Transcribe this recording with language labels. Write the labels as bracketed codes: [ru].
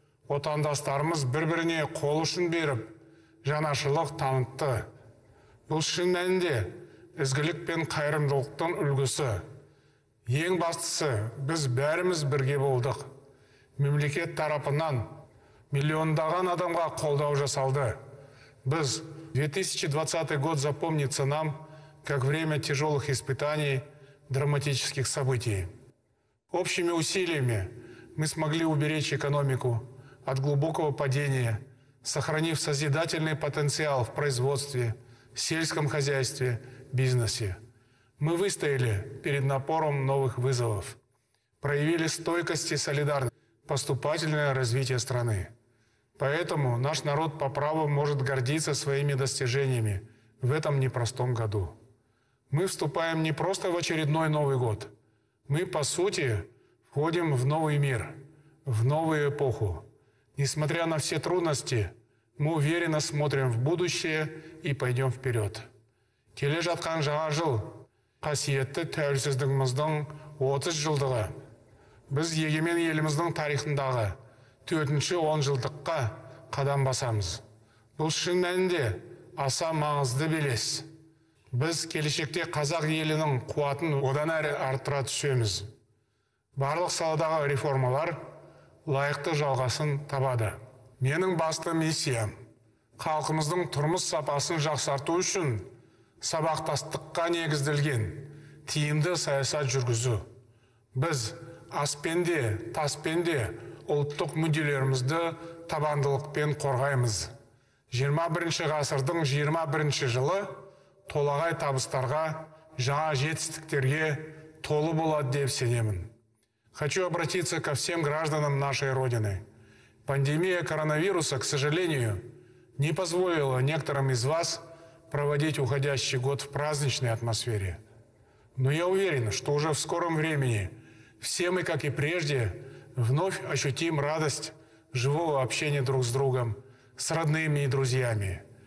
[kk] Отандастарымыз бір-біріне қол ұшын беріп, жанашырлық танытты. Бұл шын мәнінде ізгілік пен қайырымдылықтың үлгісі. Ең бастысы, біз бәріміз бірге болдық. Мемлекет тарапынан миллиондаған адамға қолдау жасалды. Біз [ru] 2020 год запомнится нам как время тяжелых испытаний, драматических событий. Общими усилиями мы смогли уберечь экономику от глубокого падения, сохранив созидательный потенциал в производстве, сельском хозяйстве, бизнесе. Мы выстояли перед напором новых вызовов, проявили стойкость и солидарность. Поступательное развитие страны. Поэтому наш народ по праву может гордиться своими достижениями в этом непростом году. Мы вступаем не просто в очередной Новый год. Мы, по сути, входим в новый мир, в новую эпоху. Несмотря на все трудности, мы уверенно смотрим в будущее и пойдем вперед. [kk] Келе жатқан жаңа жыл, қасиетті тәуелсіздігіміздің 30 жылдығы. Біз егемен еліміздің тарихындағы 4-10 жылдыққа қадам басамыз. Бұл шын мәнінде аса маңызды белес. Біз келешекте қазақ елінің қуатын одан әрі арттыра түсеміз. Барлық саладағы реформалар лайықты жалғасын табады. Менің басты миссиям – халқымыздың тұрмыс сапасын жақсарту үшін сабақтастыққа негізделген тиімді саясат жүргізу. Біз аспенде, таспенде ұлттық мүдделерімізді табандылықпен қорғаймыз. 21-ші ғасырдың 21-ші жылы толағай табыстарға, жаңа жетістіктерге толы болады деп сенемін. [ru] Хочу обратиться ко всем гражданам нашей Родины. Пандемия коронавируса, к сожалению, не позволила некоторым из вас проводить уходящий год в праздничной атмосфере. Но я уверен, что уже в скором времени все мы, как и прежде, вновь ощутим радость живого общения друг с другом, с родными и друзьями.